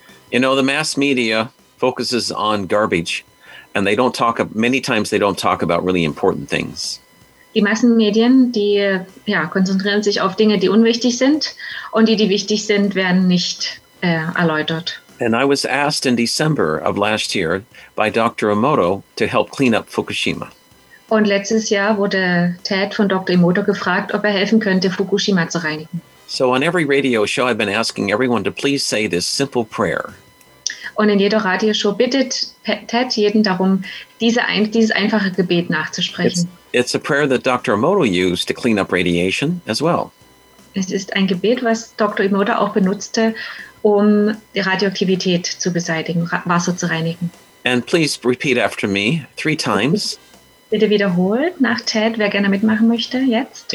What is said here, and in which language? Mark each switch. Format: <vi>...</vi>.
<en>You know, the mass media focuses on garbage, and they don't talk, many times they don't talk about really important things.</en> <de>Die Massenmedien, die konzentrieren sich auf Dinge, die unwichtig sind, und die wichtig sind, werden nicht erläutert.</de> <en>And I was asked in December of last year by Dr. Emoto to help clean up Fukushima.</en> <de>Und letztes Jahr wurde Ted von Dr. Emoto gefragt, ob helfen könnte, Fukushima zu reinigen.</de> <en>So on every radio show, I've been asking everyone to please say this simple prayer.</en> <de>Und in jeder Radioshow bittet Ted jeden darum, dieses einfache Gebet nachzusprechen.</de> <en>It's a prayer that Dr. Emoto used to clean up radiation as well.</en> <de>Es ist ein Gebet, was Dr. Emoto auch benutzte, um die Radioaktivität zu beseitigen, Wasser zu reinigen.</de> <en>And please repeat after me three times.</en> <de>Bitte wiederholt nach Ted, wer gerne mitmachen möchte, jetzt.</de>